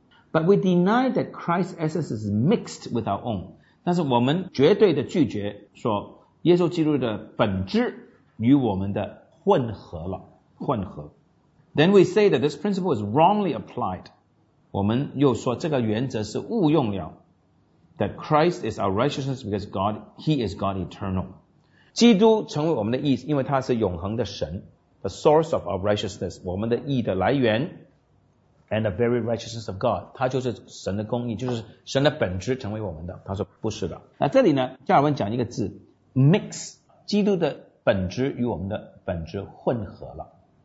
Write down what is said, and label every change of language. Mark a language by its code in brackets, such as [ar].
[en] But we deny that Christ's essence is mixed with our own。 [zh] 但是我们绝对的拒绝说耶稣基督的本质与我们的混合了，混合。 [en] Then we say that this principle is wrongly applied。 [zh] 我们又说这个原则是误用了。 [en] That Christ is our righteousness because God, He is God eternal。 [zh] 基督成为我们的义，因为他是永恒的神。 [en] The source of our righteousness， [zh] 我们的义的来源。 [en] And the very righteousness of God， [zh] 他就是神的公义，就是神的本质成为我们的。他说不是的。那这里呢，加尔文讲一个字 ，mix， 基督的本质与我们的本质混合了。